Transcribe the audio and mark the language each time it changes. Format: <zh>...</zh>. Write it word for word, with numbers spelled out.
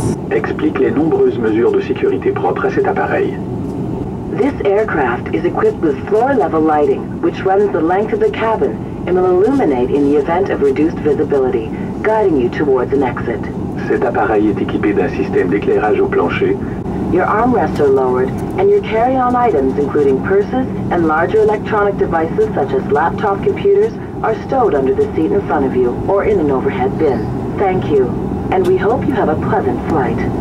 <fr>Explique les nombreuses mesures de sécurité propres à cet appareil.</fr> <en>This aircraft is equipped with floor-level lighting, which runs the length of the cabin and will illuminate in the event of reduced visibility, guiding you towards an exit.</en> <fr>Cet appareil est équipé d'un système d'éclairage au plancher.</fr> <en>Your armrests are lowered, and your carry-on items, including purses and larger electronic devices such as laptop computers, are stowed under the seat in front of you or in an overhead bin. Thank you, and we hope you have a pleasant flight.</en>